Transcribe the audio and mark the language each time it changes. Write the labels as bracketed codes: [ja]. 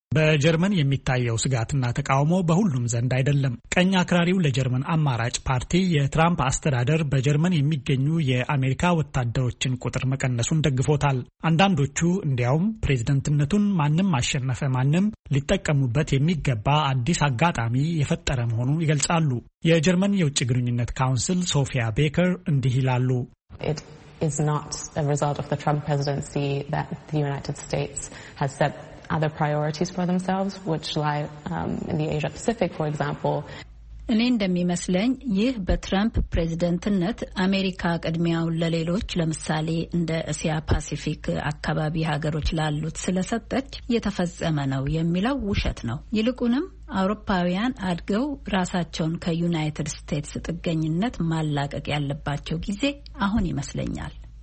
[am] በጀርመን የሚታየው ስጋትና ተቃውሞ በሁሉም ዘንድ አይደለም። ቀኝ አክራሪው ለጀርመን አማራጭ ፓርቲ የትራምፕ አስተዳደር በጀርመን የሚገኙ የአሜሪካ ወታደሮችን ቁጥር መቀነሱን ደግፎታል። አንዳንዶቹ እንዲያውም ፕሬዝደንትነቱን ማንም አሸነፈ ማንም ሊጠቀሙበት የሚገባ አዲስ አጋጣሚ የፈጠረ መሆኑን ይገልጻሉ። የጀርመን የውጭ ግንኙነት ካውንስል ሶፊያ ቤከር እንዲህ ይላሉ። [en] It is not a result of the Trump presidency that the United States has set other priorities for themselves, which lie in the Asia Pacific, for example. [am] እኔ እንደሚመስለኝ ይህ በትራምፕ ፕሬዝደንትነት አሜሪካ ቀድሚያው ለሌሎች ለምሳሌ እንደ እስያ ፓሲፊክ አካባቢ ሀገሮች ላሉት ስለሰጠች የተፈጸመ ነው የሚለው ውሸት ነው። ይልቁንም አውሮፓውያን አድገው ራሳቸውን ከዩናይትድ ስቴትስ ጥገኝነት ማላቀቅ ያለባቸው ጊዜ አሁን ይመስለኛል።